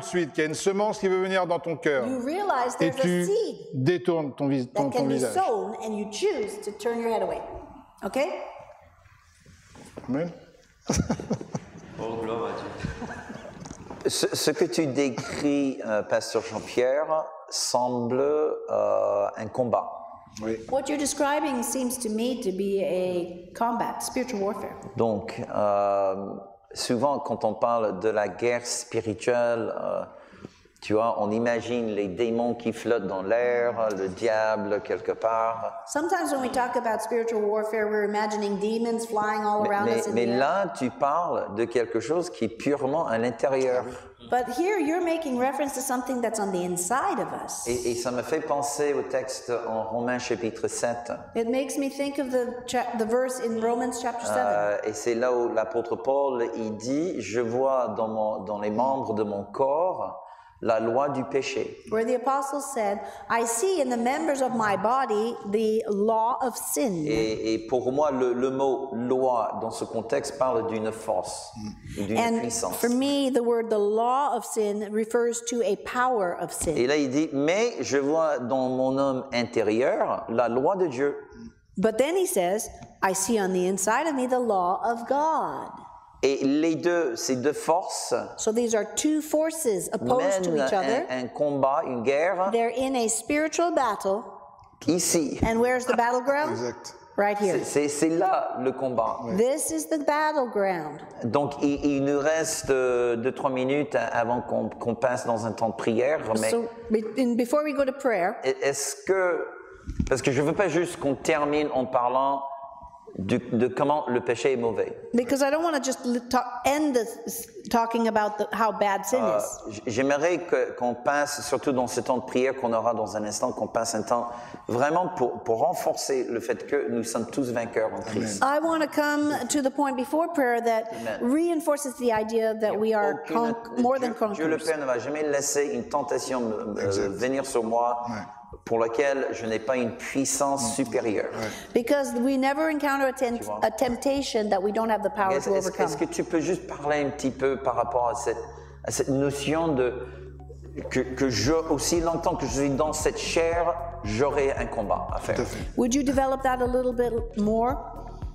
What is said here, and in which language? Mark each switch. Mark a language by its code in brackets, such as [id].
[fr] tout de suite qu'il y a une semence qui veut venir dans ton cœur et tu détournes ton visage. [en] And you choose to turn your head away. Okay? Amen. [fr] Oh, gloire à Dieu. Ce que tu décris, Pasteur Jean-Pierre, semble un combat. Oui. [en] What you're describing seems to me to be a combat, spiritual warfare. [fr] Donc, souvent quand on parle de la guerre spirituelle, tu vois, on imagine les démons qui flottent dans l'air, le diable quelque part. [en] Sometimes when we talk about spiritual warfare, we're imagining demons flying all around [fr] mais, [en] us. [fr] Mais [en] in [fr] là, [en] the [fr] tu parles de quelque chose qui est purement à l'intérieur. [en] But here you're making reference to something that's on the inside of us. [fr] Et ça me fait penser au texte en Romains chapitre 7. [en] It makes me think of the verse in Romans chapter 7. [fr] Et c'est là où l'apôtre Paul il dit je vois dans les membres de mon corps la loi du péché. [en] Where the apostle said I see in the members of my body the law of sin. [fr] Et pour moi le mot loi dans ce contexte parle d'une force et d'une [en] and [fr] puissance. [en] For me the word the law of sin refers to a power of sin. [fr] Et là il dit mais je vois dans mon homme intérieur la loi de Dieu. [en] But then he says I see on the inside of me the law of God. [fr] Et les deux, ces deux forces [en] so these are two forces opposed [fr] mènent [en] to each other. [fr] Un combat, une guerre. [en] They're in a spiritual battle. [fr] Ici. [en] And where's the battleground? [fr] Exact. [en] Right here. [fr] C'est là le combat. [en] Oui. This is the battleground. [fr] Donc il nous reste 2-3 minutes avant qu'on passe dans un temps de prière. Mais [en] so, before we go to prayer. [fr] Est-ce que, parce que je ne veux pas juste qu'on termine en parlant de comment le péché est mauvais. [en] Because I don't want to just end this talking about how bad sin is. [fr] J'aimerais qu'on passe, surtout dans ce temps de prière qu'on aura dans un instant, qu'on passe un temps vraiment pour renforcer le fait que nous sommes tous vainqueurs en Christ. [en] I want to come to the point before prayer that reinforces the idea that we are more than conquerors. [fr] Dieu le Père ne va jamais laisser une tentation venir sur moi. Ouais. Pour lequel je n'ai pas une puissance supérieure. [en] Because we never encounter a temptation that we don't have the power to overcome. [fr] Est-ce que tu peux juste parler un petit peu par rapport à cette notion de que je aussi longtemps que je suis dans cette chair, j'aurai un combat à faire. [en] Would you develop that a little bit more?